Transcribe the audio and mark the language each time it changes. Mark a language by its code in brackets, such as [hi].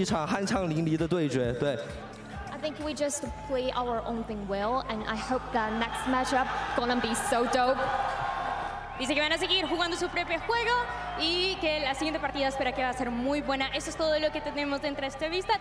[zh] 有没有什么话想对接下来会有面对到的队伍说的呢？我觉得我们打好我们自己的东西就行了，然后就希望下一场比赛也会是一场酣畅淋漓的对决，对。 [en] I think we just play our own thing well, and I hope that next matchup gonna be so dope. [es] Dice que van a seguir jugando su propio juego y que la siguiente partida espera que va a ser muy buena. Eso es todo lo que tenemos dentro de esta entrevista.